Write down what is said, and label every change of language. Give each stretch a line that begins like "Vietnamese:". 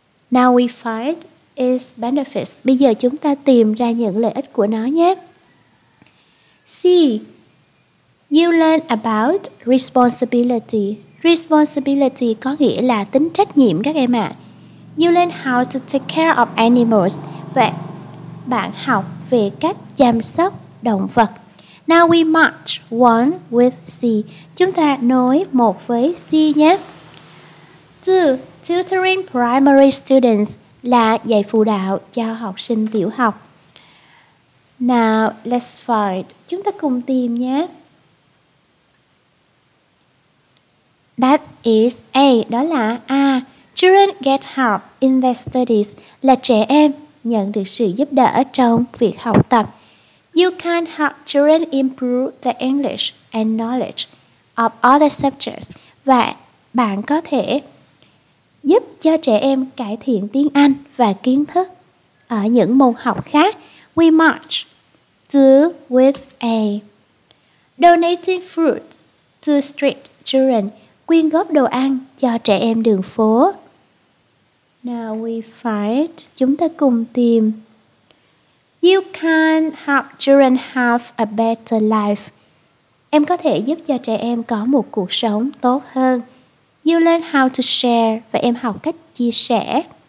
English: Now we find its benefits.
Vietnamese: Bây giờ chúng ta tìm ra những lợi ích của nó nhé. C.
English: You learn about responsibility.
Vietnamese: Responsibility có nghĩa là tính trách nhiệm các em ạ.
English: You learn how to take care of animals.
Vietnamese: Vậy bạn học về cách chăm sóc động vật.
English: Now we march one with C.
Vietnamese: Chúng ta nối một với C nhé. 2.
English: Tutoring primary students
Vietnamese: là dạy phụ đạo cho học sinh tiểu học.
English: Now let's find.
Vietnamese: Chúng ta cùng tìm nhé.
English: That is A.
Vietnamese: Đó là A.
English: Children get help in their studies
Vietnamese: là trẻ em nhận được sự giúp đỡ trong việc học tập.
English: You can help children improve the English and knowledge of other subjects.
Vietnamese: Và bạn có thể giúp cho trẻ em cải thiện tiếng Anh và kiến thức ở những môn học khác.
English: We march to with A. Donating fruit to street children.
Vietnamese: Quyên góp đồ ăn cho trẻ em đường phố.
English: Now we find.
Vietnamese: Chúng ta cùng tìm.
English: You can help children have a better life.
Vietnamese: Em có thể giúp cho trẻ em có một cuộc sống tốt hơn.
English: You learn how to share
Vietnamese: và em học cách chia sẻ.